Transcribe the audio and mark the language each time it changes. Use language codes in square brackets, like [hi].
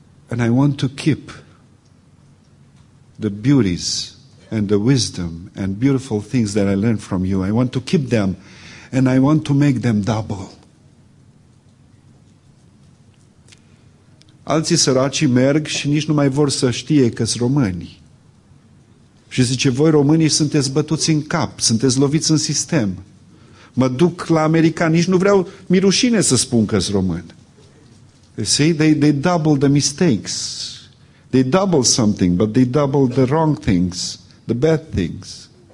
[en] And I want to keep the beauties and the wisdom and beautiful things that I learned from you. I want to keep them and I want to make them double. [ro] Alții săraci merg și nici nu mai vor să știe că-s români. Și zice, voi românii sunteți bătuți în cap, sunteți loviți în sistem. Mă duc la american, nici nu vreau, mi-e rușine să spun că-s român. [en] See, they double the mistakes. They double something, but they double the wrong things, the bad things.